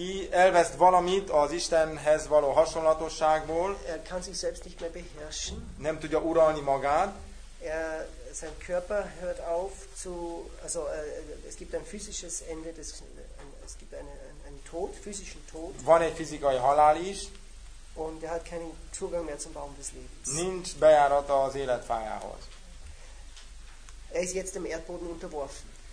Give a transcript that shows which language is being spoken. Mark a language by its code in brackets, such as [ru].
[hu] Elveszt valamit az Istenhez való hasonlatosságból. [de] Er kann sich selbst nicht mehr beherrschen. [hu] Nem tudja uralni magát. [de] Sein Körper hört auf zu, also es gibt ein physisches Ende, es gibt einen Tod, physischen Tod. [hu] Van egy fizikai halál is. [de] Und er hat keinen Zugang mehr zum Baum des Lebens. [hu] Nincs bejárata az életfájához. [de] Er ist jetzt dem Erdboden unterworfen.